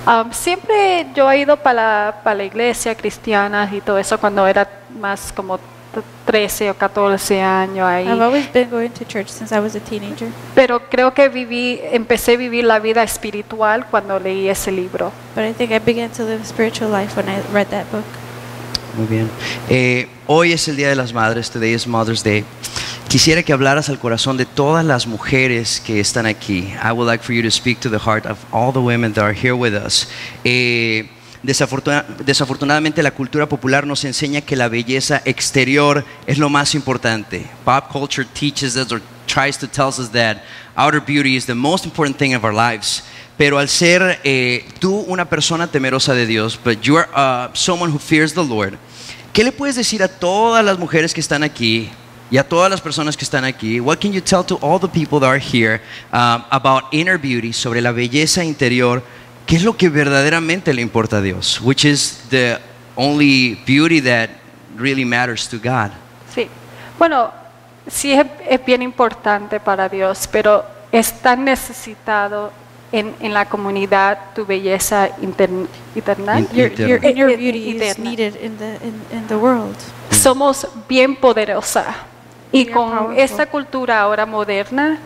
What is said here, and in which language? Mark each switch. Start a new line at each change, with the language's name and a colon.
Spanish: Siempre yo he ido para la iglesia cristiana y todo eso cuando era más como 13 o 14 años ahí.
English: I've always been going to church since I was a teenager.
Spanish: Pero creo que empecé a vivir la vida espiritual cuando leí ese libro.
English: But I think I began to live a spiritual life when I read that book.
Spanish: Muy bien. Hoy es el Día de las Madres.
English: Today is Mother's Day.
Spanish: Quisiera que hablaras al corazón de todas las mujeres que están aquí.
English: I would like for you to speak to the heart of all the women that are here with us.
Spanish: Desafortunadamente, la cultura popular nos enseña que la belleza exterior es lo más importante.
English: Pop culture teaches us or tries to tell us that outer beauty is the most important thing of our lives.
Spanish: Pero al ser tú una persona temerosa de Dios,
English: but you are someone who fears the Lord,
Spanish: ¿qué le puedes decir a todas las mujeres que están aquí y a todas las personas que están aquí?
English: What can you tell to all the people that are here about inner beauty,
Spanish: sobre la belleza interior? ¿Qué es lo que verdaderamente le importa a Dios?
English: Which is the only beauty that really matters to God.
Spanish: Sí. Bueno, sí es bien importante para Dios, pero es tan necesitado en la comunidad tu belleza interna.
English: Your inner beauty is interna. Needed in the world.
Spanish: Somos bien poderosa. Y con esta cultura ahora moderna,